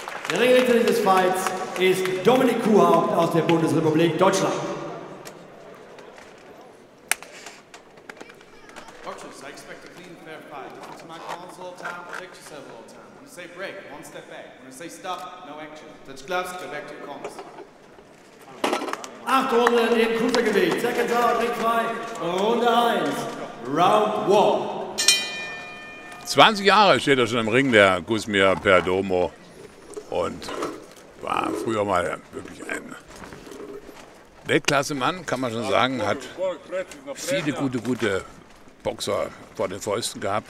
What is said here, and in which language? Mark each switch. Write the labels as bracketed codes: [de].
[de] Der Ringrichter dieses Fights ist Dominik Kuhhaupt aus der Bundesrepublik Deutschland. [en] Coaches, I expect a clean, fair fight. Listen to my calls all the time, protect yourself all the time. When you say break, one step back. When you say stop, no action. Touch gloves, go back to your corners. [de] 8 Runden im Cruisergewicht. [en] Second round, Ring 2, [de] Runde 1. [en] Round 1. [de] 20 Jahre steht er schon im Ring, der Güsmir Perdomo. Und war früher mal wirklich ein Weltklasse-Mann, kann man schon sagen, hat viele gute Boxer vor den Fäusten gehabt.